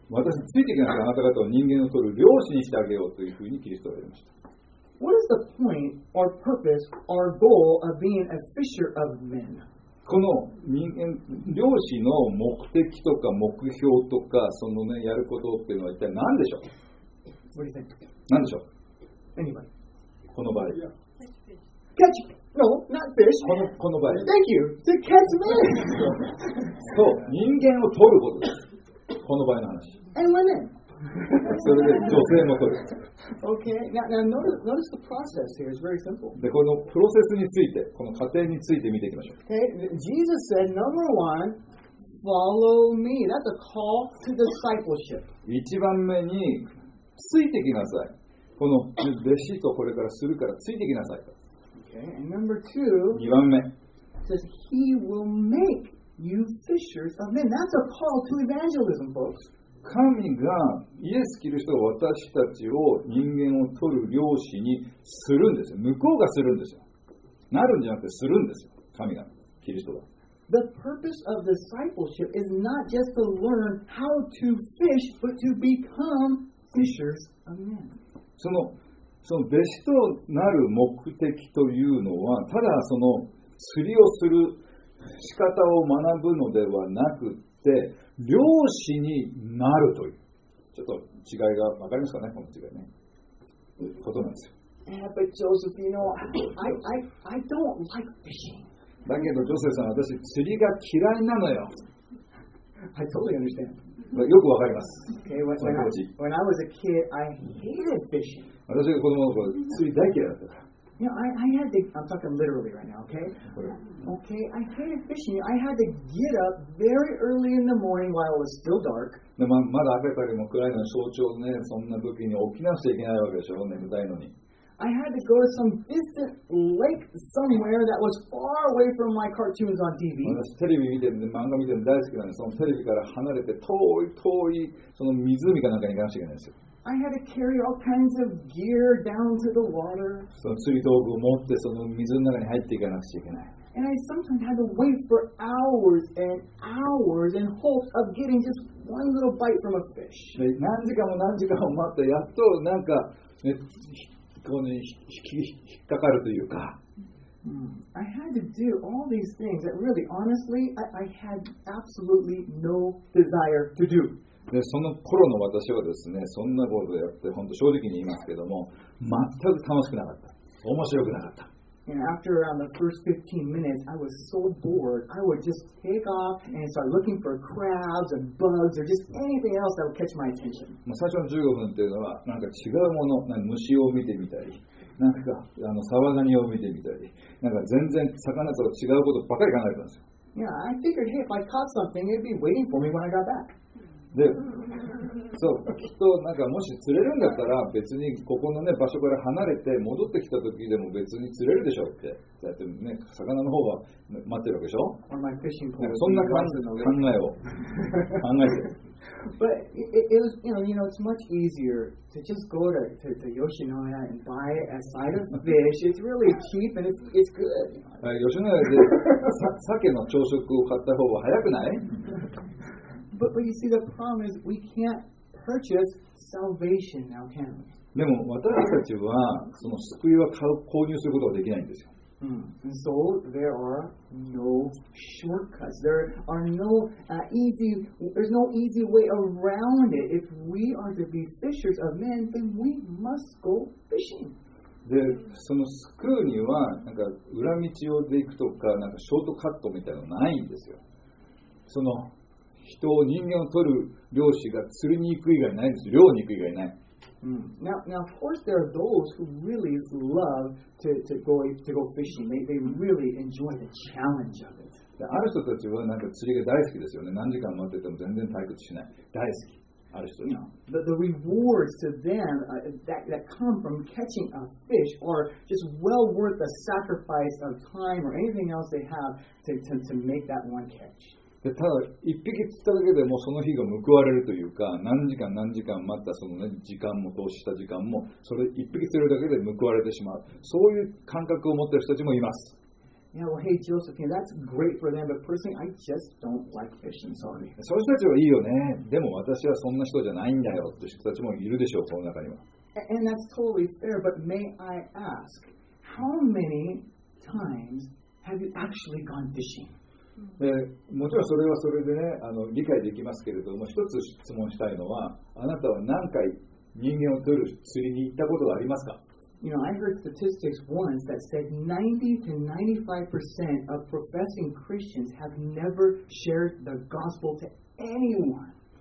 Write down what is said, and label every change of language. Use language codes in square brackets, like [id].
[ja] 私についていけないからあなた方を人間を取る漁師にしてあげようというふうにキリストは言いました。 [en] What is the point, or purpose, or goal of being a fisher of men? [ja] この人間、漁師の目的とか目標とか、そのね、やることっていうのは一体何でしょう? [en] What do you think? [ja] 何でしょう? [en] Anybody? [ja] この場合。 [en] Catch fish. No, not fish. [ja] この場合。 [en] Thank you. To catch men. [ja] そう、人間を取ることです。この場合の話。 [en] And women. [ja] それで女性も取る。 [en] Okay. Now notice the process here. It's very simple. [ja] で、このプロセスについて、この過程について見ていきましょう。 [en] Okay. Jesus said, number one, follow me. That's a call to discipleship. [ja] 一番目に、ついてきなさい。この弟子とこれからするからついてきなさいと。 [en] Okay. And number two, [ja] 二番目、 [en] says he will make you fishers of men. That's a call to evangelism, folks. [ja] 神がイエス・キリストが私たちを人間を取る漁師にするんですよ。向こうがするんですよ。なるんじゃなくてするんですよ。神が、キリストが。 [en] The purpose of discipleship is not just to learn how to fish, but to become fishers of men. [ja] その弟子となる目的というのは、ただその釣りをする仕方を学ぶのではなくて、漁師になるという。ちょっと違いが分かりますかね、この違いね。ことなんですよ。やっぱりジョセフ、 [en] you know, I don't like fishing. [ja] だけど、ジョセフさん、私、釣りが嫌いなのよ。 [en] I totally understand. [ja] よくわかります。 [en] When I was a kid, I hated fishing. [ja] 私が子供の頃、釣り大嫌いだったから。 [en] You know, I had to, I'm talking literally right now, okay? Okay, I hated fishing. I had to get up very early in the morning while it was still dark. [ja] まだ明るいも暗いの象徴ね、そんな時に起きなくちゃいけないわけでしょ、眠たいのに。 [en] I had to go to some distant lake somewhere that was far away from my cartoons on TV. [ja] 私テレビ見てるんで、漫画見てるんで大好きなんで、そのテレビから離れて遠い遠いその湖かなんかに行かなくちゃいけないんですよ。 [en] I had to carry all kinds of gear down to the water. [ja] その釣り道具を持ってその湖の中に入っていかなくちゃいけない。 [en] And I sometimes had to wait for hours and hours in hopes of getting just one little bite from a fish. [ja] で、何時間も何時間も待ってやっとなんか、ね。この引っかかるというか。 [en] I had to do all these things that really, honestly, I had absolutely no desire to do. [ja] で、その頃の私はですね、そんなことをやって、本当正直に言いますけども、全く楽しくなかった。面白くなかった。 [en] And after around the first 15 minutes, I was so bored. I would just take off and start looking for crabs and bugs or just anything else that would catch my attention. [ja] 最初の15分というのは、なんか違うもの、なんか虫を見てみたり、なんかサワガニを見てみたり、なんか全然魚と違うことばかり考えてたんですよ。 [en] Yeah, I figured, hey, if I caught something, it'd be waiting for me when I got back. [ja] で、そう、きっとなんかもし釣れるんだったら別にここのね場所から離れて戻ってきた時でも別に釣れるでしょうって。だってね、魚の方は待ってるわけでしょ。なんかそんな感じの考えを考えてる。 [en] But it was, you know, it's much easier to just go to Yoshinoya and buy a side of fish. It's really cheap and it's good. [ja] 吉野家で鮭の朝食を買った方が早くない？ [en] But you see, the problem is we can't purchase salvation now, can we? [ja] でも私たちはその救いは購入することはできないんですよ。 [en] So there are no shortcuts. There are no easy. There's no easy way around it. If we are to be fishers of men, then we must go fishing. [ja] で、その救うにはなんか裏道をで行くとかなんかショートカットみたいなのないんですよ。その人を人間を取る漁師が釣りに行く以外ないんです。漁に行く以外ない。 [en] Now, of course, there are those who really love to go fishing. They really enjoy the challenge of it. [ja] ある人たちはなんか釣りが大好きですよね。何時間待ってても全然退屈しない。大好き。ある人たち。 [en] The rewards to them that come from catching a fish are just well worth the sacrifice of time or anything else they have to make that one catch. [ja] でただ一匹釣っただけでもその日が報われるというか、何時間何時間待ったその、ね、時間も投資した時間もそれ一匹釣るだけで報われてしまう、そういう感覚を持っている人たちもいます。 [en] いや、Hey, Joseph, that's great for them, but personally, I just don't like fishing, sorry. [ja] そういう人たちはいいよね、でも私はそんな人じゃないんだよという人たちもいるでしょう、この中には。 [en] And that's totally fair, but may I ask, how many times have you actually gone fishing? [ja] もちろんそれはそれでね、理解できますけれども、一つ質問したいのは、あなたは何回人間を取る釣りに行ったことがありますか？ [en] You know, I heard statistics once that said 90 to 95% of professing Christians have never shared the gospel to anyone.